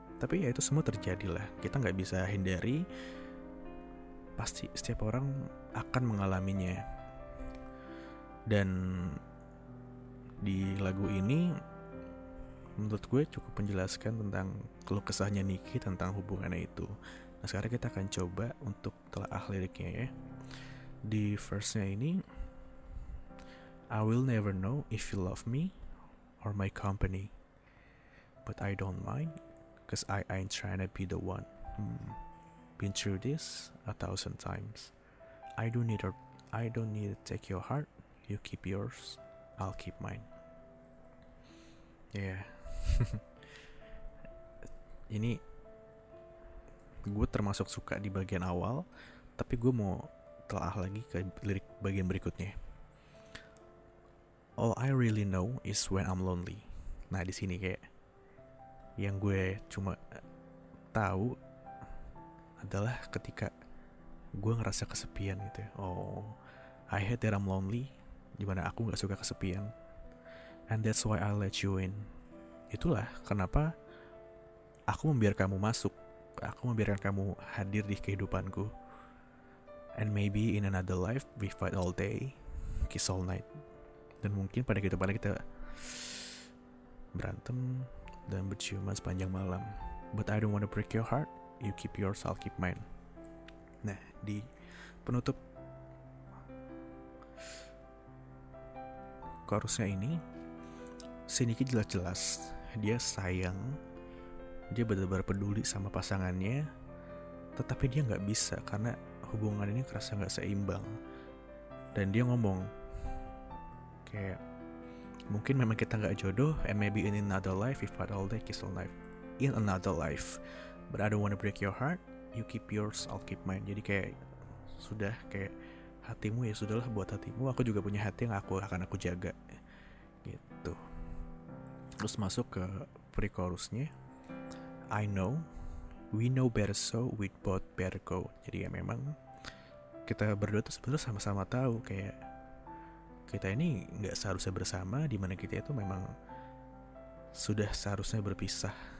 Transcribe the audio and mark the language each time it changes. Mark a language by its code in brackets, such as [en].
[id] Tapi ya itu semua terjadi lah, kita gak bisa hindari, pasti setiap orang akan mengalaminya. Dan di lagu ini menurut gue cukup menjelaskan tentang keluh kesahnya Nicki tentang hubungannya itu. Nah, sekarang kita akan coba untuk telaah liriknya ya. Di verse-nya ini, [en] I will never know if you love me or my company, but I don't mind, cause I ain't trying to be the one. Been through this 1,000 times. I don't need to take your heart. You keep yours, I'll keep mine. Yeah. [id] Ini gue termasuk suka di bagian awal, tapi gue mau telaah lagi ke lirik bagian berikutnya. [en] All I really know is when I'm lonely. [id] Nah, di sini kayak yang gue cuma tahu adalah ketika gue ngerasa kesepian gitu. [en] Oh, I hate that I'm lonely. [id] Dimana aku gak suka kesepian. [en] And that's why I let you in. [id] Itulah kenapa aku membiarkan kamu masuk. Aku membiarkan kamu hadir di kehidupanku. [en] And maybe in another life we fight all day, kiss all night. [id] Dan mungkin pada kehidupan kita berantem dan berciuman sepanjang malam. [en] But I don't wanna break your heart. You keep yours, I'll keep mine. [id] Nah, di penutup chorusnya ini, si Nicky jelas-jelas dia sayang, dia benar-benar peduli sama pasangannya, tetapi dia gak bisa karena hubungan ini kerasa gak seimbang. Dan dia ngomong kayak, mungkin memang kita gak jodoh, [en] and maybe in another life we fight all day, kiss all night, in another life, but I don't wanna break your heart, you keep yours, I'll keep mine. [id] Jadi kayak, sudah, kayak hatimu ya sudahlah buat hatimu, aku juga punya hati yang akan aku jaga gitu. Terus masuk ke pre-chorusnya, [en] I know, we know better so, we both better go. [id] Jadi ya memang kita berdua tuh sebenarnya sama-sama tahu kayak kita ini nggak seharusnya bersama, di mana kita itu memang sudah seharusnya berpisah.